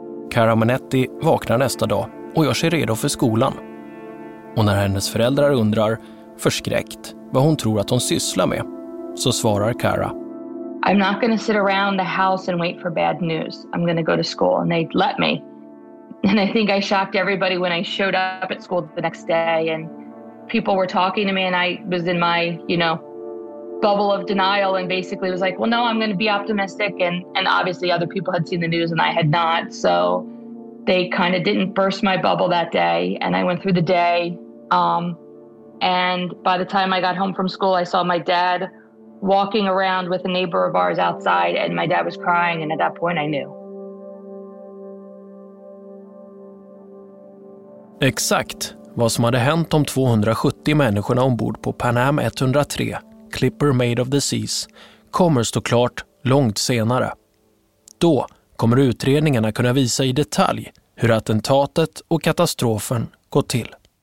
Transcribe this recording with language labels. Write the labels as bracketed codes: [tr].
[sv] Cara Monetti vaknar nästa dag och gör sig redo för skolan. Och när hennes föräldrar undrar, förskräckt, vad hon tror att hon sysslar med, så svarar Cara: [en] I'm not going to sit around the house and wait for bad news. I'm going to go to school. And they let me. And I think I shocked everybody when I showed up at school the next day and people were talking to me and I was in my, you know, bubble of denial and basically was like, well, no, I'm going to be optimistic. And obviously other people had seen the news and I had not. So they kind of didn't burst my bubble that day. And I went through the day. And by the time I got home from school, I saw my dad walking around with a neighbor of ours outside, and my dad was crying, and at that point I knew. [sv] Exakt vad som hade hänt de 270 människorna ombord på Pan Am 103, Clipper Made of the Seas, kommer stå klart långt senare. Då kommer utredningarna kunna visa i detalj hur attentatet och katastrofen gått till.